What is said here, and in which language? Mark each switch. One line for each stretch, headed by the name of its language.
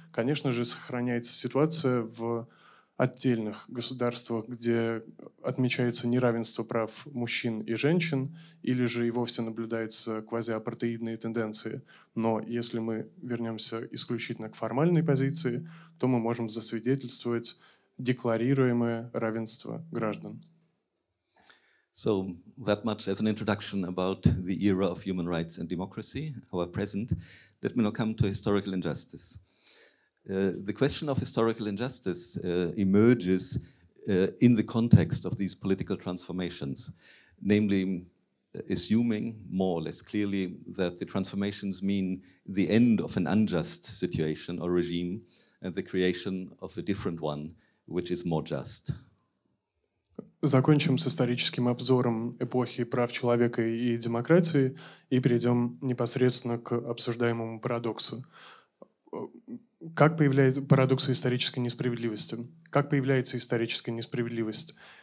Russian: Конечно же, сохраняется ситуация в отдельных государствах, где отмечается неравенство прав мужчин и женщин, или же и вовсе наблюдаются квазиапартеидные тенденции. Но если мы вернемся исключительно к формальной позиции, то мы можем засвидетельствовать декларируемое равенство граждан.
English: So that much as an introduction about the era of human rights and democracy, our present. Let me now come to historical injustice. The question of historical injustice emerges in the context of these political transformations, namely assuming more or less clearly that the transformations mean the end of an unjust situation or regime and the creation of a different one, which is more just.
Russian: Закончим с историческим обзором эпохи прав человека и демократии и перейдем непосредственно к обсуждаемому парадоксу. Как появляется парадокс исторической несправедливости? Как появляется историческая несправедливость?